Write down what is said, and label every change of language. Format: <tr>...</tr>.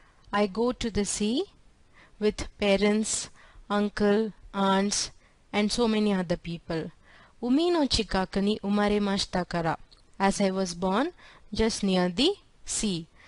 <en>I go to the sea with parents, uncle, aunts, and so many other people.</en> <ja>海の近くに生まれましたから。</ja> <en>As I was born, just near the sea.</en>